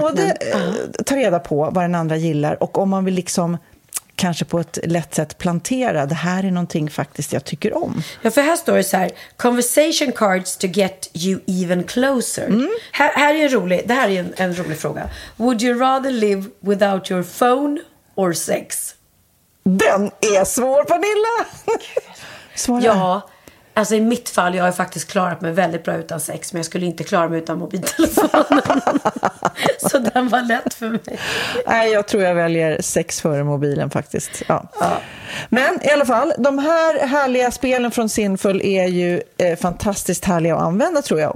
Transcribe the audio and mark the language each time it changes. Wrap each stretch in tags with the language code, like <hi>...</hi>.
<sv>Både ta reda på vad den andra gillar, och om man vill liksom... kanske på ett lätt sätt plantera, det här är någonting faktiskt jag tycker om. Ja, för här står det så här,</sv> <en>conversation cards to get you even closer.</en> <sv>Mm. Här är en rolig, det här är en rolig fråga.</sv> <en>Would you rather live without your phone or sex?</en> <sv>Den är svår, Pernilla. Ja, alltså i mitt fall, jag har faktiskt klarat mig väldigt bra utan sex, men jag skulle inte klara mig utan mobiltelefonen. Så den var lätt för mig. Nej, jag tror jag väljer sex före mobilen faktiskt. Ja. Ja. Men i alla fall, de här härliga spelen från Sinful är ju fantastiskt härliga att använda, tror jag.</sv>